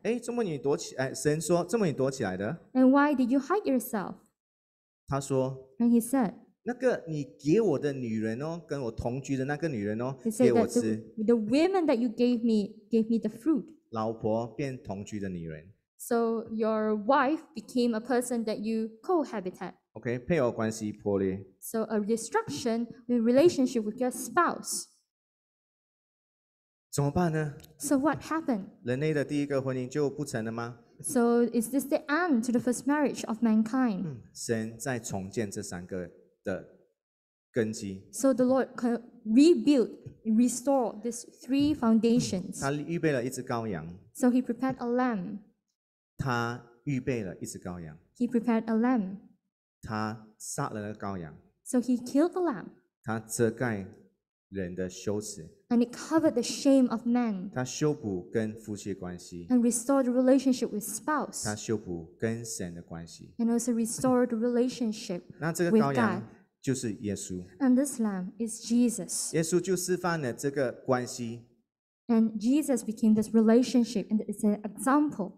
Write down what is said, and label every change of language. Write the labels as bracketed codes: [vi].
[zh] 哎，这么你躲起，哎，神说，这么你躲起来的 [en] ？And why did you hide yourself？ [zh] 他说 [en] ，And he said， [zh] 那个你给我的女人哦，跟我同居的那个女人哦， [en] he said [zh] 给我吃。 [en] The women that you gave me the fruit。 [zh] 老婆变同居的女人。 [en] So your wife became a person that you cohabited。 [zh] OK， 配偶关系破裂。 [en] So a destruction in relationship with your spouse。 [zh] 怎么办呢 [en] ？So what happened？ [zh] 人类的第一个婚姻就不成了吗 [en] ？So is this the end to the first marriage of mankind？ [zh] 神在重建这三个的根基。 [en] So the Lord can rebuild, restore these three foundations。 [zh] 他预备了一只羔羊。 [en] So he prepared a lamb。 [zh] 他预备了一只羔羊。 [en] He prepared a lamb。 [zh] 他杀了那个羔羊。 [en] So he killed the lamb. [zh] 他遮盖人的羞耻。 [en] And it covered the shame of men. [zh] 他修补跟夫妻的关系。 [en] And restored the relationship with spouse. [zh] 他修补跟神的关系。 [en] And also restored the relationship with God. [zh] 那这个羔羊就是耶稣。 [en] And this lamb is Jesus. [zh] 耶稣就示范了这个关系。 [en] And Jesus became this relationship and it's an example.